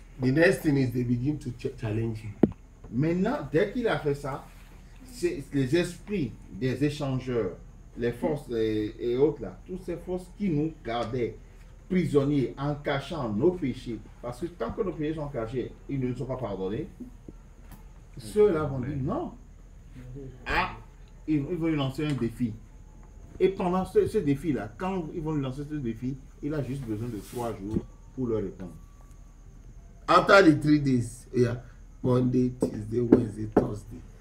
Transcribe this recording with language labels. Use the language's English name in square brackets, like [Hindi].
[English] The next thing is they begin to challenge him. [French] Maintenant, dès qu'il a fait ça, c'est les esprits des échangeurs, les forces et autres là, toutes ces forces qui nous gardaient prisonniers en cachant nos péchés, parce que tant que nos péchés sont cachés, ils ne nous sont pas pardonnés. Ceux-là vont dire non. Ah, ils vont lui lancer un défi. Et pendant ce défi-là, quand ils vont lui lancer ce défi, il a juste besoin de 3 jours pour leur répondre. [English] After the 3 days, yeah, Monday, Tuesday, Wednesday, Thursday.